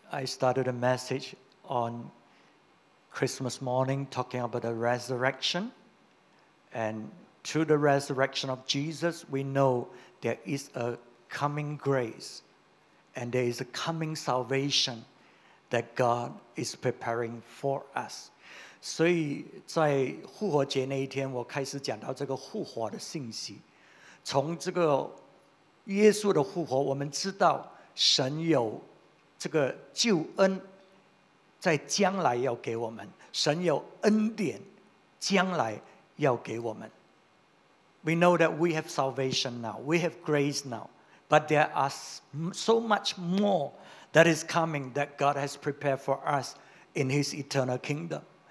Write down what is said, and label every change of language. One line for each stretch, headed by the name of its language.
English: I started a message on Christmas morning talking about the resurrection. And through the resurrection of Jesus, we know there is a coming grace and there is a coming salvation that God is preparing for us.
Chinese: 所以在复活节那一天，我开始讲到这个复活的信息。从这个耶稣的复活，我们知道神有这个救恩，在将来要给我们，神有恩典，将来要给我们。
English: We know that we have salvation now, we have grace now, but there are so much more that is coming that God has prepared for us in His eternal kingdom.